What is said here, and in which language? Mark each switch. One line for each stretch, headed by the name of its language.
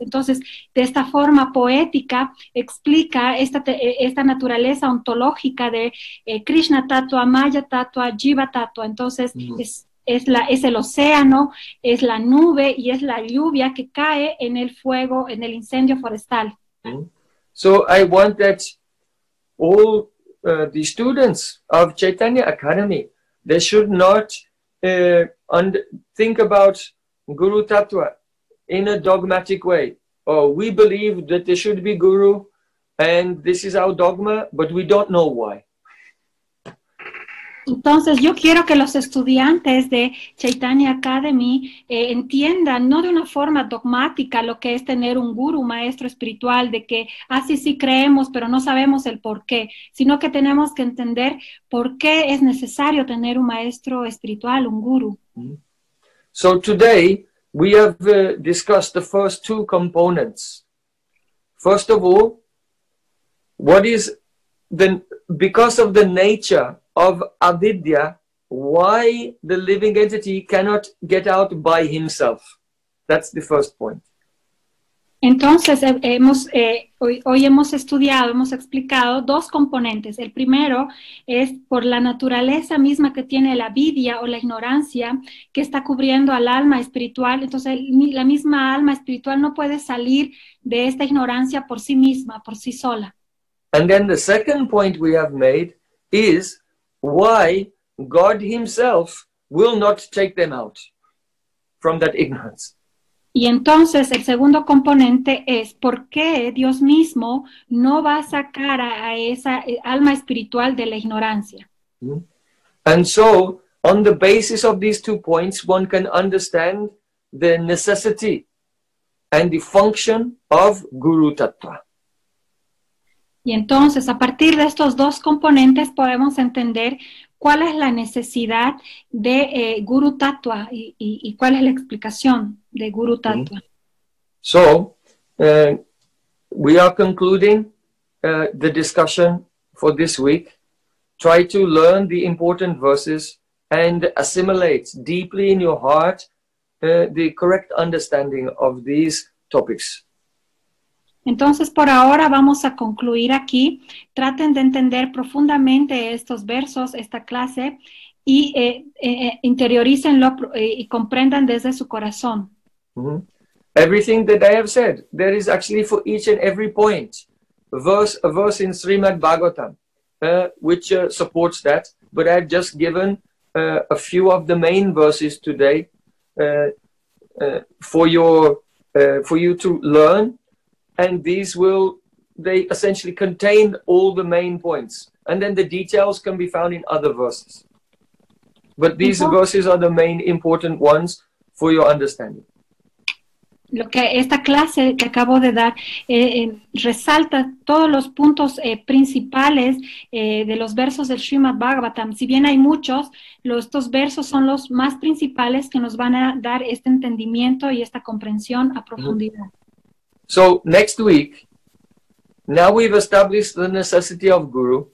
Spanish: Entonces, de esta forma poética, explica esta naturaleza ontológica de Krishna Tattva, Maya Tattva, Jiva Tattva. Entonces, es el océano, es la nube y es la lluvia que cae en el fuego, en el incendio forestal.
English: So I want that all the students of Chaitanya Academy, they should not think about Guru Tattva in a dogmatic way. Oh, we believe that there should be Guru and this is our dogma, but we don't know why.
Spanish: Entonces, yo quiero que los estudiantes de Chaitanya Academy entiendan, no de una forma dogmática, lo que es tener un guru, un maestro espiritual, de que así sí creemos, pero no sabemos el por qué, sino que tenemos que entender por qué es necesario tener un maestro espiritual, un guru.
English: So, today, we have discussed the first two components. First of all, what is the, because of the nature of avidya, why the living entity cannot get out by himself. That's the first point.
Spanish: Entonces, hoy hemos estudiado, hemos explicado dos componentes. El primero es por la naturaleza misma que tiene la avidia o la ignorancia que está cubriendo al alma espiritual. Entonces, la misma alma espiritual no puede salir de esta ignorancia por sí misma, por sí sola.
English: And then the second point we have made is why God himself will not take them out from that ignorance.
Spanish: Y entonces el segundo componente es por qué Dios mismo no va a sacar a esa alma espiritual de la ignorancia.
English: And so, on the basis of these two points, one can understand the necessity and the function of Guru Tattva.
Spanish: Y entonces, a partir de estos dos componentes, podemos entender cuál es la necesidad de Guru Tattva y cuál es la explicación de Guru Tattva.
English: So, we are concluding the discussion for this week. Try to learn the important verses and assimilate deeply in your heart the correct understanding of these topics.
Spanish: Entonces, por ahora vamos a concluir aquí. Traten de entender profundamente estos versos, esta clase, y interiorícenlo y comprendan desde su corazón.
English: Everything that I have said, there is actually for each and every point, a verse in Srimad Bhagavatam, which supports that. But I've just given a few of the main verses today for you to learn. And these they essentially contain all the main points. And then the details can be found in other verses. But these verses are the main important ones for your understanding.
Spanish: Lo que esta clase que acabo de dar resalta todos los puntos principales de los versos del Srimad Bhagavatam. Si bien hay muchos, estos versos son los más principales que nos van a dar este entendimiento y esta comprensión a profundidad. Mm-hmm.
English: So next week, now we've established the necessity of guru.